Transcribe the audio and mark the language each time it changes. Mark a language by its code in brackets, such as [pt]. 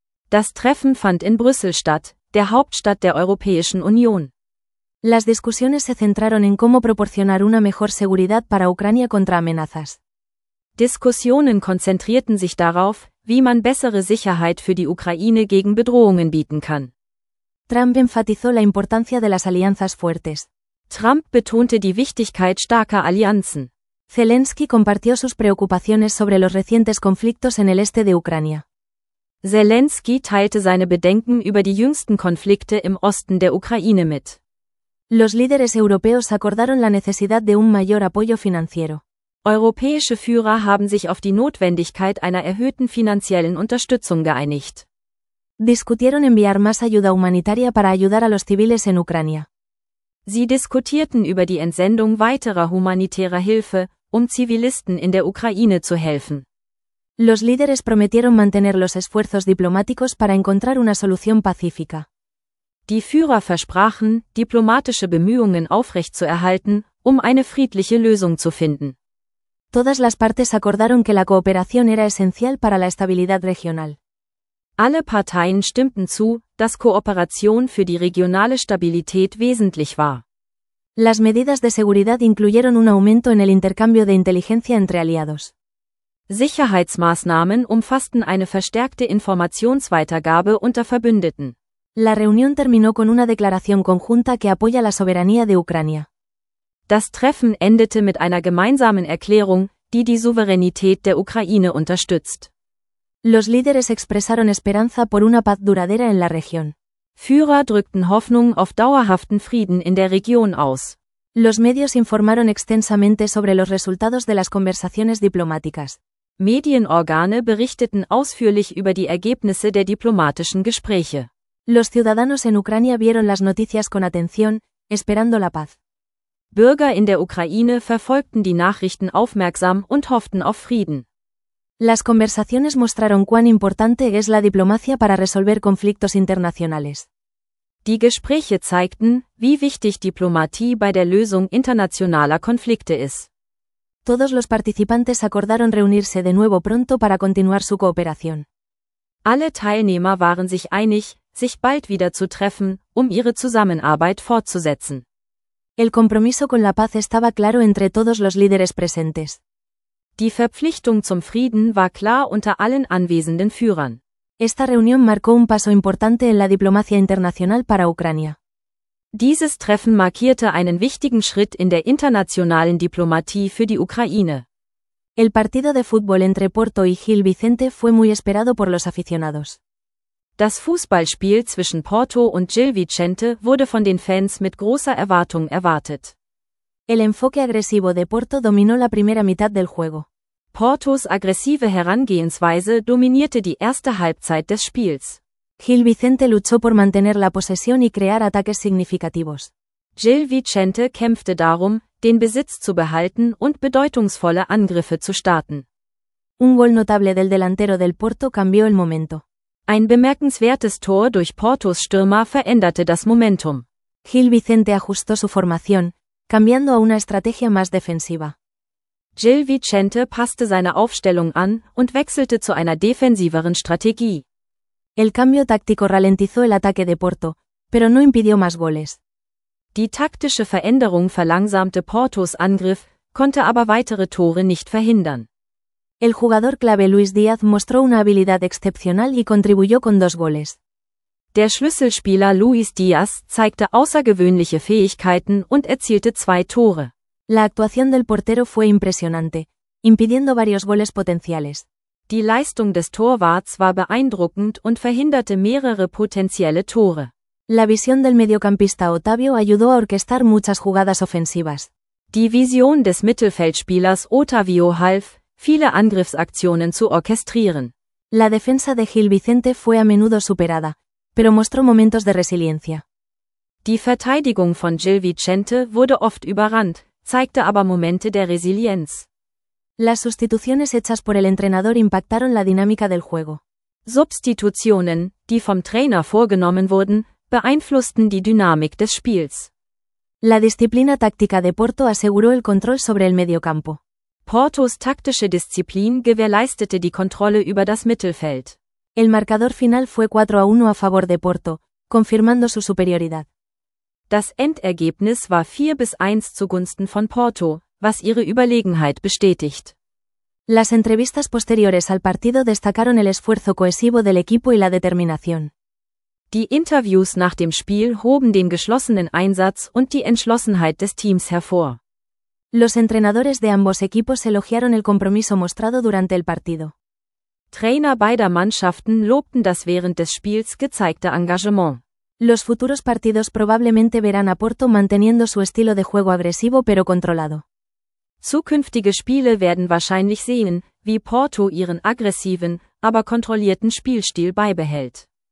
[de] Das Treffen fand in Brüssel statt, der Hauptstadt der Europäischen Union. [es] Las discusiones se centraron en cómo proporcionar una mejor seguridad para Ucrania contra amenazas. [de] Diskussionen konzentrierten sich darauf, wie man bessere Sicherheit für die Ukraine gegen Bedrohungen bieten kann. [es] Trump enfatizó la importancia de las alianzas fuertes. [de] Trump betonte die Wichtigkeit starker Allianzen. [es] Zelensky compartió sus preocupaciones sobre los recientes conflictos en el este de Ucrania. [de] Zelensky teilte seine Bedenken über die jüngsten Konflikte im Osten der Ukraine mit. [es] Los líderes europeos acordaron la necesidad de un mayor apoyo financiero. [de] Europäische Führer haben sich auf die Notwendigkeit einer erhöhten finanziellen Unterstützung geeinigt. [es] Diskutieron enviar más ayuda humanitaria para ayudar a los civiles en Ucrania. [de] Sie diskutierten über die Entsendung weiterer humanitärer Hilfe, um Zivilisten in der Ukraine zu helfen. [es] Los líderes prometieron mantener los esfuerzos diplomáticos para encontrar una solución pacífica. [de] Die Führer versprachen, diplomatische Bemühungen aufrechtzuerhalten, um eine friedliche Lösung zu finden. [es] Todas las partes acordaron que la cooperación era esencial para la estabilidad regional. [de] Alle Parteien stimmten zu, dass Kooperation für die regionale Stabilität wesentlich war. [es] Las medidas de seguridad incluyeron un aumento en el intercambio de inteligencia entre aliados. [de] Sicherheitsmaßnahmen umfassten eine verstärkte Informationsweitergabe unter Verbündeten. [es] La reunión terminó con una declaración conjunta que apoya la soberanía de Ucrania. [de] Das Treffen endete mit einer gemeinsamen Erklärung, die die Souveränität der Ukraine unterstützt. [es] Los líderes expresaron esperanza por una paz duradera en la región. [de] Führer drückten Hoffnung auf dauerhaften Frieden in der Region aus. [es] Los medios informaron extensamente sobre los resultados de las conversaciones diplomáticas. [de] Medienorgane berichteten ausführlich über die Ergebnisse der diplomatischen Gespräche. [es] Los ciudadanos en Ucrania vieron las noticias con atención, esperando la paz. [de] Bürger in der Ukraine verfolgten die Nachrichten aufmerksam und hofften auf Frieden. [es] Las conversaciones mostraron cuán importante es la diplomacia para resolver conflictos internacionales. [de] Die Gespräche zeigten, wie wichtig Diplomatie bei der Lösung internationaler Konflikte ist. [es] Todos los participantes acordaron reunirse de nuevo pronto para continuar su cooperación. [de] Alle Teilnehmer waren sich einig, sich bald wieder zu treffen, um ihre Zusammenarbeit fortzusetzen. [es] El compromiso con la paz estaba claro entre todos los líderes presentes. [de] Die Verpflichtung zum Frieden war klar unter allen anwesenden Führern. [es] Esta reunión marcó un paso importante en la diplomacia internacional para Ucrania. [de] Dieses Treffen markierte einen wichtigen Schritt in der internationalen Diplomatie für die Ukraine. [es] El partido de fútbol entre Porto y Gil Vicente fue muy esperado por los aficionados. [de] Das Fußballspiel zwischen Porto und Gil Vicente wurde von den Fans mit großer Erwartung erwartet. [es] El enfoque agresivo de Porto dominó la primera mitad del juego. [de] Portos aggressive Herangehensweise dominierte die erste Halbzeit des Spiels. [es] Gil Vicente luchó por mantener la posesión y crear ataques significativos. [de] Gil Vicente kämpfte darum, den Besitz zu behalten und bedeutungsvolle Angriffe zu starten. [es] Un gol notable del delantero del Porto cambió el momento. [de] Ein bemerkenswertes Tor durch Portos Stürmer veränderte das Momentum. [es] Gil Vicente ajustó su formación, cambiando a una estrategia más defensiva. [de] Gil Vicente passte seine Aufstellung an und wechselte zu einer defensiveren Strategie. [es] El cambio táctico ralentizó el ataque de Porto, pero no impidió más goles. [de] Die taktische Veränderung verlangsamte Portos Angriff, konnte aber weitere Tore nicht verhindern. [es] El jugador clave Luis Díaz mostró una habilidad excepcional y contribuyó con dos goles. [de] Der Schlüsselspieler Luis Díaz zeigte außergewöhnliche Fähigkeiten und erzielte zwei Tore. [es] La actuación del portero fue impresionante, impidiendo varios goles potenciales. [de] Die Leistung des Torwarts war beeindruckend und verhinderte mehrere potenzielle Tore. [es] La visión del mediocampista Otavio ayudó a orquestar muchas jugadas ofensivas. [de] Die Vision des Mittelfeldspielers Otavio half, viele Angriffsaktionen zu orchestrieren. [es] La defensa de Gil Vicente fue a menudo superada, pero mostró momentos de resiliencia. [de] Die Verteidigung von Gil Vicente wurde oft überrannt, zeigte aber Momente der Resilienz. [es] Las sustituciones hechas por el entrenador impactaron la dinámica del juego. [de] Substitutionen, die vom Trainer vorgenommen wurden, beeinflussten die Dynamik des Spiels. [es] La disciplina táctica de Porto aseguró el control sobre el mediocampo. [de] Portos taktische Disziplin gewährleistete die Kontrolle über das Mittelfeld. [es] El marcador final fue 4-1 a favor de Porto, confirmando su superioridad. [de] Das Endergebnis war 4-1 zugunsten von Porto, was ihre Überlegenheit bestätigt. [es] Las entrevistas posteriores al partido destacaron el esfuerzo cohesivo del equipo y la determinación. [de] Die Interviews nach dem Spiel hoben den geschlossenen Einsatz und die Entschlossenheit des Teams hervor. [es] Los entrenadores de ambos equipos elogiaron el compromiso mostrado durante el partido. [de] Trainer beider Mannschaften lobten das während des Spiels gezeigte Engagement. [es] Los futuros partidos probablemente verán a Porto manteniendo su estilo de juego agresivo pero controlado. [de] Zukünftige Spiele werden wahrscheinlich sehen, wie Porto ihren aggressiven, aber kontrollierten Spielstil beibehält.